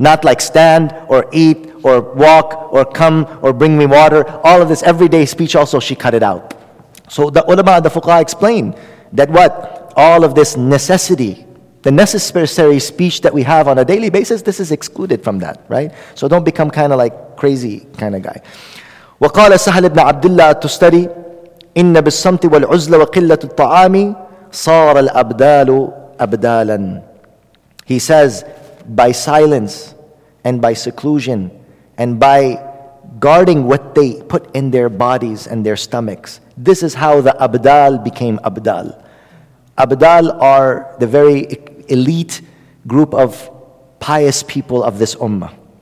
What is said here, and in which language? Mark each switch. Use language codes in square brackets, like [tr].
[en] Not like stand or eat or walk or come or bring me water. All of this everyday speech also, she cut it out. So the ulama, the fuqaha explain that what? All of this necessity, the necessary speech that we have on a daily basis, this is excluded from that, right? So don't become kind of like crazy kind of guy. [ar] وقال سهل بن عبد الله التستري إن بالصمت والعزلة وقلة الطعام صار الأبدال أبدالا. [en] He says, by silence and by seclusion and by guarding what they put in their bodies and their stomachs, this is how the Abdal became Abdal. Abdal are the very elite group of pious people of this ummah.